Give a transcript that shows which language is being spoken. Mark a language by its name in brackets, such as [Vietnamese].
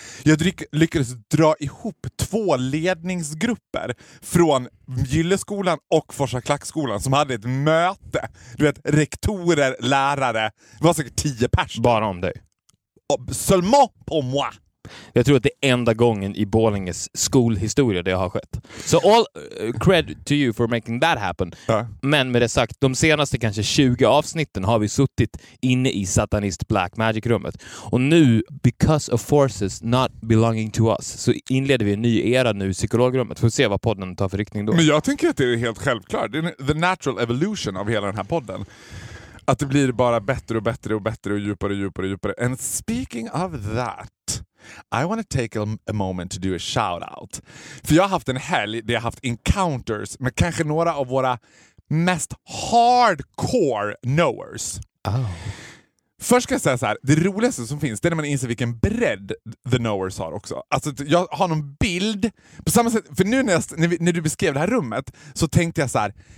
[Swedish] Jag lyckades dra ihop två ledningsgrupper från Gylleskolan och Forsa Klackskolan som hade ett möte. Du vet, rektorer, lärare. Det var säkert 10 pers. Bara om dig. [French] Seulement pour moi. [Swedish] Jag tror att det är enda gången i Borlänges skolhistoria det har skett. [English] Så all cred to you for making that happen. [Swedish] Ja. Men med det sagt, de senaste kanske 20 avsnitten har vi suttit inne i satanist Black Magic-rummet. Och nu, [English] because of forces not belonging to us, [Swedish] så inleder vi en ny era nu i psykologrummet. Får se vad podden tar för riktning då. Men jag tänker att det är helt självklart. Det är [English] the natural evolution [Swedish] av hela den här podden. Att det blir bara bättre och bättre och bättre och djupare och djupare och djupare. [English] And speaking of that, I want to take a moment to do a shout out. [Swedish] För jag har haft en helg där jag har haft encounters med kanske några av våra mest hardcore knowers. Oh. Först ska jag säga så här, det roligaste som finns, det är när man inser vilken bredd the knowers har också. Alltså jag har någon bild på samma sätt, för nu när du beskrev det här rummet så tänkte jag så här,